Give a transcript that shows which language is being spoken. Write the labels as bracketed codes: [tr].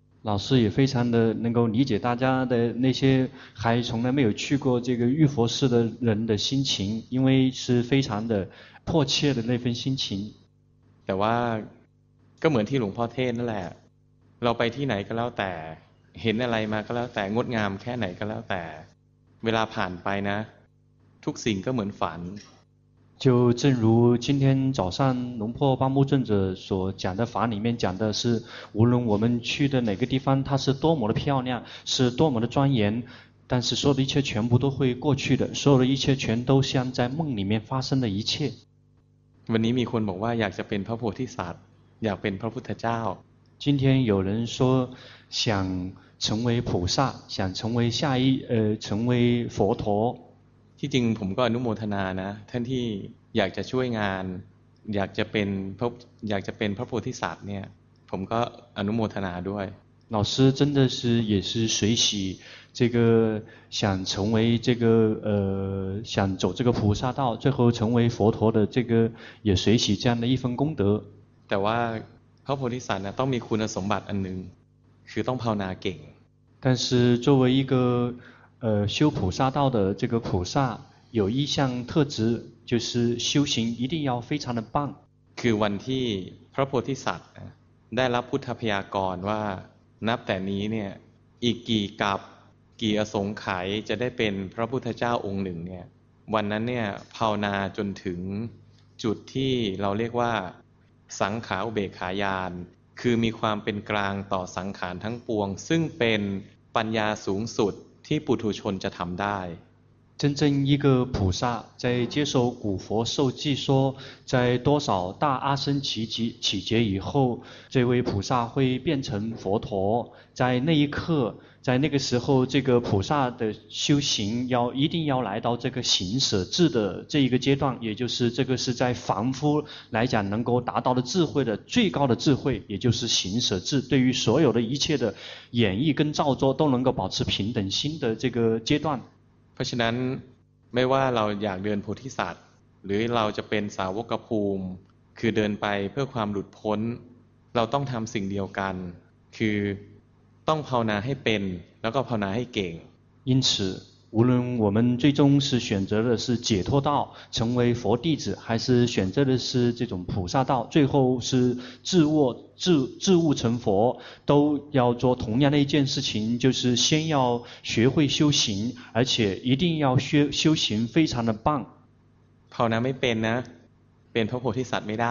[zh] 老师也非常的能够理解大家的那些还从来没有去过这个玉佛寺的人的心情因为是非常的迫切的那份心情 [th] แต่ว่าก็เหมือนที่หลวงพ่อเทศน์นั่นแหละเราไปที่ไหนก็แล้วแต่เห็นอะไรมาก็แล้วแต่งดงามแค่ไหนก็แล้วแต่เวลาผ่านไปนะทุกสิ่งก็เหมือนฝัน [zh] 就正如今天早上龙破巴木正者所讲的法里面讲的是无论我们去的哪个地方它是多么的漂亮是多么的庄严但是所有的一切全部都会过去的所有的一切全都像在梦里面发生的一切 [th] วันนี้มีคนบอกว่าอยากจะเป็นพระโพธิสัตว์อยากเป็นพระพุทธเจ้า [zh] 今天有人说想成为菩萨想成为下一成为佛陀 [th] ที่จริงผมก็อนุโมทนานะท่านที่อยากจะช่วยงานอยากจะเป็นพระโพธิสัตว์เนี่ยผมก็อนุโมทนาด้วย [zh] 老师真的是也是随喜这个想成为这个想走这个菩萨道最后成为佛陀的这个也随喜这样的一份功德 [th] แต่ว่าพระโพธิสัตว์นะต้องมีคุณสมบัติอันนึงคือต้องภาวนาเก่ง [zh] 但是作为一个修菩萨道的这个菩萨有一项特质就是修行一定要非常的棒 [th] คือวันที่พระโพธิสัตว์ได้รับพุทธพยากรว่านับแต่นี้เนี่ยอีกกี่กับกี่อสงไขยจะได้เป็นพระพุทธเจ้าองค์หนึ่งเนี่ยวันนั้นเนี่ยภาวนาจนถึงจุดที่เราเรียกว่าสังขารอุเบกขาญาณคือมีความเป็นกลางต่อสังขารทั้งปวงซึ่งเป็นปัญญาสูงสุดที่ปุถุชนจะทำได้ [zh] 真正一个菩萨在接受古佛授记说在多少大阿僧祇劫以后这位菩萨会变成佛陀在那一刻在那个时候这个菩萨的修行要一定要来到这个行舍智的这一个阶段也就是这个是在凡夫来讲能够达到的智慧的最高的智慧也就是行舍智对于所有的一切的演绎跟造作都能够保持平等心的这个阶段 [th] เพราะฉะนั้นไม่ว่าเราอยากเดินโพธิสัตว์หรือเราจะเป็นสาวกภูมิคือเดินไปเพื่อความหลุดพ้นเราต้องทำสิ่งเดียวกันคือต้องภาวนาให้เป็นแล้วก็ภาวนาให้เก่ง [zh] 因此无论我们最终是选择的是解脱道成为佛弟子还是选择的是这种菩萨道最后是自悟成佛都要做同样的一件事情就是先要学会修行而且一定要修行非常的棒 [th] ภาวนาไม่เป็นนะเป็นพระโพธิสัตว์ไม่ได